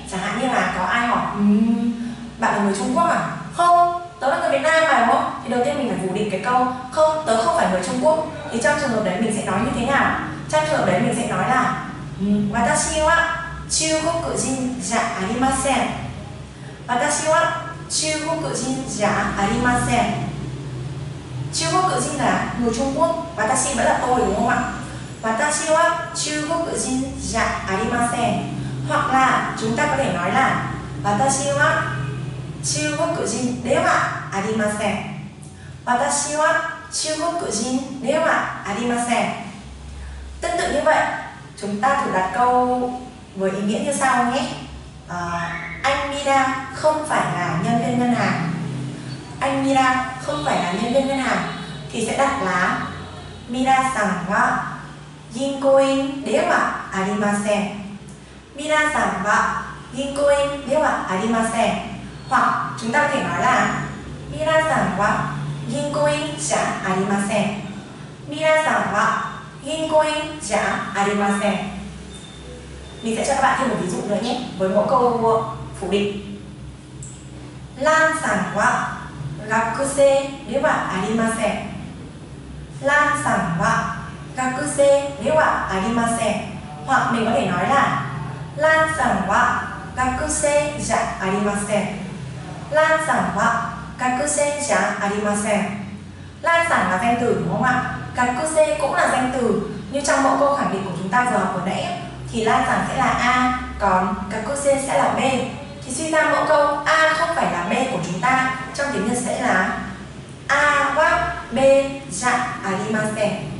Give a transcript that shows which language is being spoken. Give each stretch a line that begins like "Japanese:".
Vietnamese: Chẳng hạn như là có ai hỏi bạn là người Trung Quốc à? Không, tớ là người Việt Nam mà đúng không? Thì đầu tiên mình phải phủ định cái câu không, tớ không phải người Trung Quốc. Thì trong trường hợp đấy mình sẽ nói như thế nào? Trong trường hợp đấy mình sẽ nói là
Japanese: 私は中国人じゃありません。私は中国人じゃありません。
Vietnamese: 中国人là người Trung Quốc. 私vẫn là tôi đúng không ạ?
Japanese: 私は中国人じゃありません。
Vietnamese: hoặc là chúng ta có thể nói là
Japanese: 私は中国人ではありません。私は中国人ではありません。
Vietnamese: tương tự như vậy, chúng ta thử đặt câu với ý nghĩa như sau nhé. Anh Mira không phải là nhân viên ngân hàng. Anh Mira không phải là nhân viên ngân hàng. Thì sẽ đặt là
Japanese: Mira san wa銀行員ではありません。皆さんは銀行員ではありません。
Vietnamese: は、chúng ta có thể nói là
Japanese: 皆さんは銀行員じゃありません。皆さんは銀行員じゃありません。
Vietnamese: Mình sẽ cho các bạn thêm một ví dụ nữa nhé, với một câu phủ định.
Japanese: Lan さんは学生ではありません。 Lan さんは学生ではありません。
Vietnamese: hoặc mình có thể nói là
Japanese: Lan さんは学生じゃありません。 Lan さんは学生じゃありません。
Vietnamese: Lan さん là danh từ đúng không ạ? 学生 cũng là danh từ. Như trong mẫu câu khẳng định của chúng ta vừa học vừa nãy thì Lan さん sẽ là A, còn 学生 sẽ là B. Thì suy ra mẫu câu A không phải là B của chúng ta trong tiếng Nhật sẽ là
Japanese: A は B じゃありません。